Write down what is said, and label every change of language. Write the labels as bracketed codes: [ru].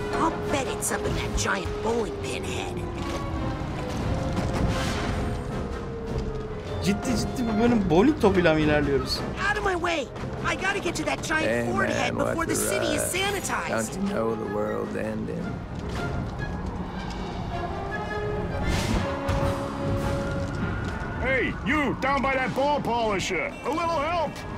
[en] I'll bet it's up in that giant bowling pin head. [tr] Ciddi ciddi bir bölüm bowling topuyla mı ilerliyoruz? [en] Out of my way! I gotta get to that giant forehead before the city is sanitized. Don't you know the world's ending? Hey, you down by that ball polisher? A little help?